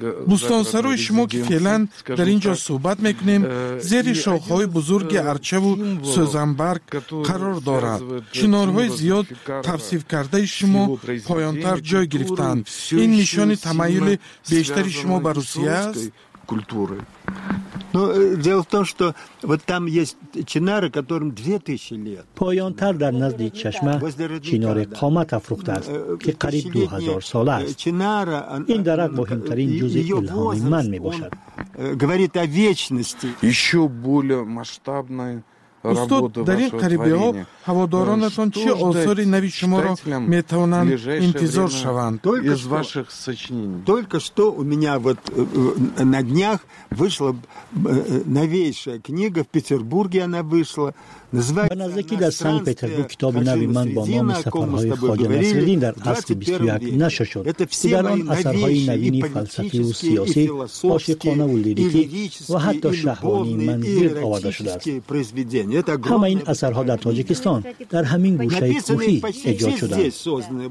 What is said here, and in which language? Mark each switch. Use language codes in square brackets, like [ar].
[tg] بستان سروی شما که فیلن در اینجا صحبت میکنیم زیر شاخهای بزرگ ارچه و سوزنبرگ قرار دارد. چنارهای زیاد توصیف کرده شما پایانتر جای گرفتند. این نشان تمایل بیشتری شما به روسیه است؟ [ru] культуры. Но дело в том, что вот там есть чинары, которым 2000 лет. [tg] Поянтар дар назди чашма чинари қомат афрухта аст, ки қариб 2000 сол аст. Чинара ин дарак муҳимтарин юзи илҳоми ман мебошад. [ru] Говорит о вечности. Ещё более масштабная работа. [tg] Дарин қарибиҳо ҳаводоронашон чи осори нави шуморо метавонанд интизор шаванд [ru] из ваших сочинений. Только что у меня вот на днях вышла новейшая книга в Петербурге она вышла. Называется она [tg] Закида Санкт-Петербург китоби нави ман ба номи сафарҳои Хоҷа Насреддин дар асри 21 нашр шуд. [ru] Это все мои [tg] асарҳои навини фалсафӣ ва сиёсӣ, ошиқона ва лирикӣ ва ҳатто шаҳвонии ман гирд оварда шудааст. Ҳама ин асарҳо дар Тоҷикистон, дар ҳамин гӯшаи кӯҳӣ эҷод шудааст.